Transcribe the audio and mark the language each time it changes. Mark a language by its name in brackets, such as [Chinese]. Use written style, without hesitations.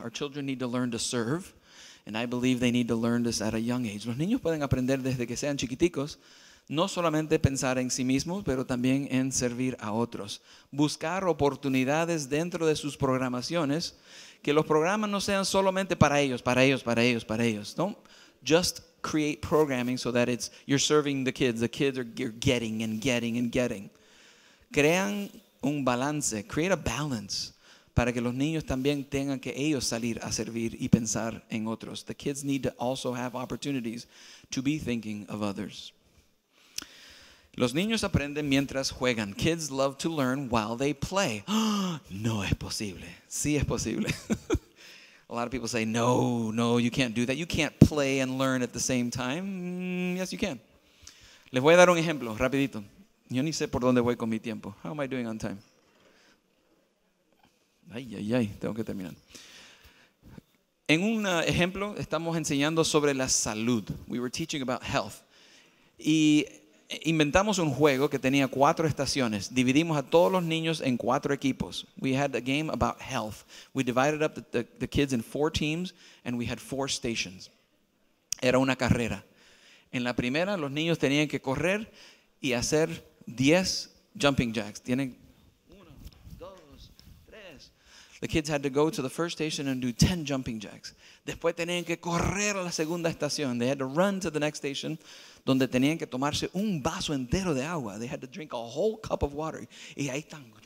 [English] Our children need to learn to serve, and I believe they need to learn this at a young age. [Spanish] Los niños pueden aprender desde que sean chiquiticos, no solamente pensar en sí mismos, pero también en servir a otros. Buscar oportunidades dentro de sus programaciones, que los programas no sean solamente para ellos, para ellos, para ellos, para ellos. [English] Don't just create programming so that it's you're serving the kids are you're getting and getting and getting. [Spanish] Crean un balance, create a balance, para que los niños también tengan que ellos salir a servir y pensar en otros. [English] The kids need to also have opportunities to be thinking of others. [Spanish] Los niños aprenden mientras juegan. [English] Kids love to learn while they play. [Spanish] No es posible. Sí es posible. [English] A lot of people say, no, no, you can't do that. You can't play and learn at the same time. Yes, you can. [Spanish] Les voy a dar un ejemplo, rapidito. Yo ni sé por dónde voy con mi tiempo. [English] How am I doing on time? [Spanish] Ay, ay, ay, tengo que terminar. En un ejemplo, estamos enseñando sobre la salud. [English] We were teaching about health. [Spanish] Y inventamos un juego que tenía 4 estaciones. Dividimos a todos los niños en 4 equipos. [English] We had a game about health. We divided up the kids in 4 teams and we had 4 stations. [Spanish] Era una carrera. En la primera, los niños tenían que correr y hacer 10 jumping jacks. Tienen 1, 2, 3. [English] The kids had to go to the first station and do 10 jumping jacks. [Spanish] Después tenían que correr a la segunda estación. [English] They had to run to the next station, [Spanish] donde tenían que tomarse un vaso entero de agua. [English] They had to drink a whole cup of water. [Spanish] Y ahí están.